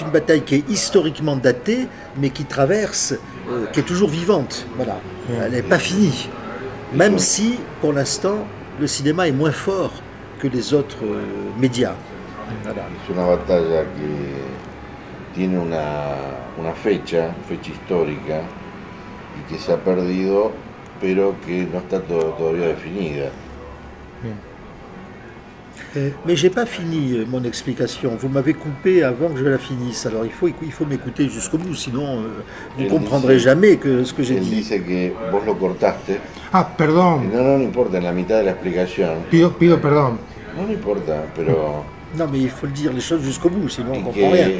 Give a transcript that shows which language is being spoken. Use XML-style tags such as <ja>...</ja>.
<fr>une bataille qui est historiquement datée, mais qui traverse, qui est toujours vivante. Voilà. Mmh. Elle n'est pas finie. Même si, pour l'instant, le cinéma est moins fort que les autres médias. Es una batalla que tiene una fecha histórica y que se ha perdido, pero que no está todavía definida. Mais j'ai pas fini mon explication. Vous m'avez coupé avant que je la finisse. Alors il faut m'écouter jusqu'au bout, sinon vous comprendrez jamais ce que j'ai dit. Il dit que vous</fr> <es>lo cortaste.</es> <fr>Ah, pardon.</fr> <es>No importa, en la mitad de la explicación. Pido perdón. No importa, pero</es> <fr>non, mais il faut le dire les choses jusqu'au bout, sinon on ne comprend rien.</fr>